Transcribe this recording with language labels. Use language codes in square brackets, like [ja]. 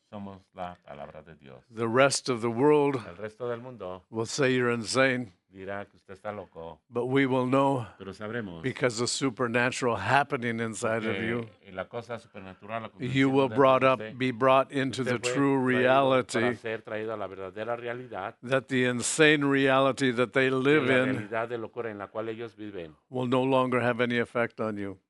[es] Somos la palabra de Dios. [en] The rest of the world, [es] el resto del mundo, [en] will say you're insane. [es] Dirá que usted está loco. [en] But we will know, [es] pero sabremos, [en] because the supernatural happening inside of you, [es] la cosa supernatural, la [en] you will brought up, be brought into the true reality, [es] traído, para ser traído a la verdadera realidad, [en] that the insane reality that they live [es] la realidad de locura en la cual ellos viven, [en] will no longer have any effect on you.